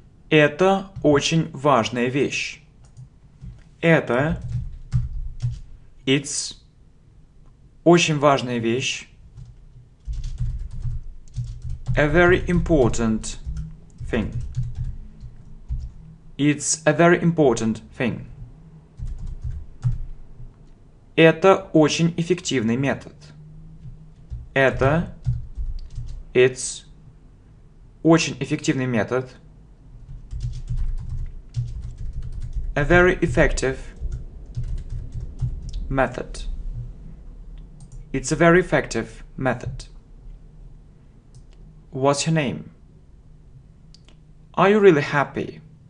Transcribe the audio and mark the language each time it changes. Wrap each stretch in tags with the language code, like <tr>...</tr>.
<ru>Это очень важная вещь. Это.</ru> <en>It's.</en> <ru>Очень важная вещь.</ru> <en>A very important thing. It's a very important thing.</en> <ru>Это очень эффективный метод. Это.</ru> <en>It's.</en> <ru>Очень эффективный метод.</ru> <en>A very effective method. It's a very effective method. What's your name? Are you really happy?</en>